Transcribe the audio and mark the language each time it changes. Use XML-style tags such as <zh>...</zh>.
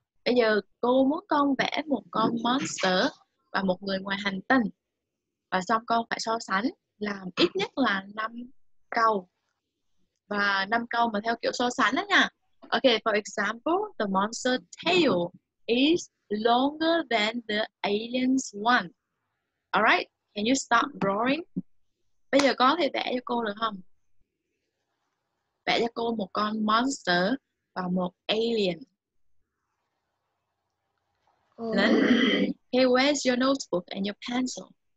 <vi>Bây giờ cô muốn con vẽ một con monster và một người ngoài hành tinh. Và xong con phải so sánh làm ít nhất là 5 câu. Và 5 câu mà theo kiểu so sánh đó nha.</vi> <en>Okay, for example, the monster tail is longer than the alien's one. Alright. Can you start drawing?</en> <vi>Bây giờ có thể vẽ cho cô được không? Vẽ cho cô một con monster và một alien. Lên.</vi> <en>Hey, where's your notebook and your pencil?</en>